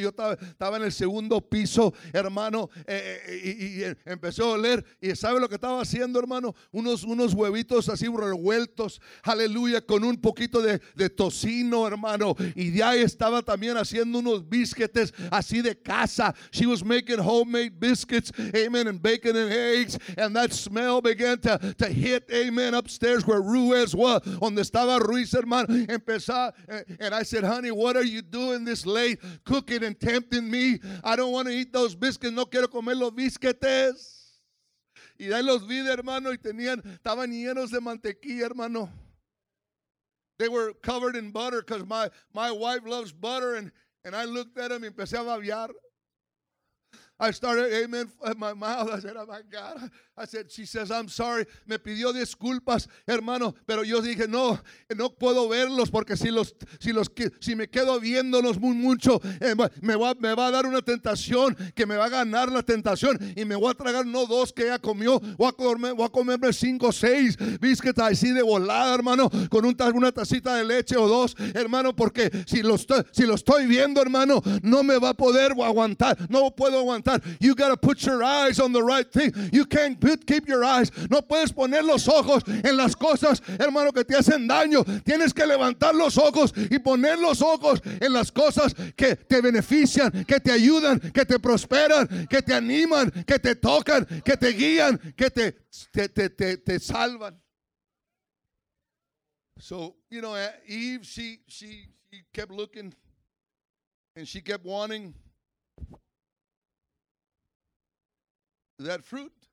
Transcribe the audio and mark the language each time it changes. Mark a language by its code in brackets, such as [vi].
[es] Yo estaba en el segundo piso, hermano, y empezó a oler, y ¿sabe lo que estaba haciendo, hermano? Unos huevitos así revueltos, aleluya, con un poquito de tocino, hermano, y de ahí estaba también haciendo unos biscuits así de casa. [en] She was making homemade biscuits, amen, and bacon and eggs, and that smell began to hit, amen, upstairs where Ruiz was, [es] donde estaba Ruiz, hermano, empezaba. [en] And I said, honey, what are you doing this late cooking and tempting me? I don't want to eat those biscuits. [es] No quiero comer los biscuits. Y ahí los vi, hermano, y estaban llenos de mantequilla, hermano. [en] They were covered in butter because my wife loves butter, and I looked at them, [es] empecé a babiar. [en] I started, amen, in my mouth. I said, oh my God. I said, she says, I'm sorry. [es] Me pidió disculpas, hermano, pero yo dije, no puedo verlos porque si me quedo viéndolos muy mucho, me va a dar una tentación que me va a ganar la tentación, y me voy a tragar no dos que ella comió, voy a comerme 5 o 6 biscuits así de volada, hermano, con una tacita de leche o dos, hermano, porque si lo estoy viendo, hermano, no me va a poder aguantar, no puedo aguantar. [en] You gotta put your eyes on the right thing. You can't keep your eyes. [es] No puedes poner los ojos en las cosas, hermano, que te hacen daño. Tienes que levantar los ojos y poner los ojos en las cosas que te benefician, que te ayudan, que te prosperan, que te animan, que te tocan, que te guían, que te salvan. [en] So, you know, Eve, she kept looking and she kept wanting that fruit.